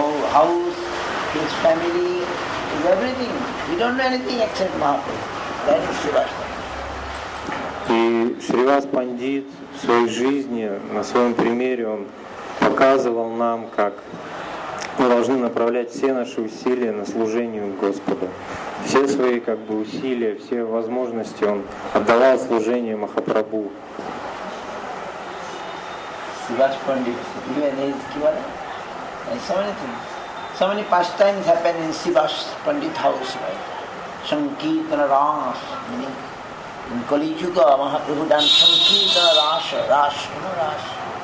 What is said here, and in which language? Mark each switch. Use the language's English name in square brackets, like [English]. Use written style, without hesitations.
[English] House, his family, his everything. We don't know anything except Mahaprabhu. That is Sivas Pandit. [Russian] И Шривас Пандит в своей жизни, на своем примере, он показывал нам, как мы должны направлять все наши усилия на служение Господу. Все свои, как бы, усилия, все возможности он отдавал служению Махапрабху. [English] Sivas Pandit, even his kivala. So many things. So many pastimes happen in Sivas Pandit house, right? Sankirtana Rasa, meaning in Kali Yuga, Mahaprabhu done Sankirtana Rasa, Rasa.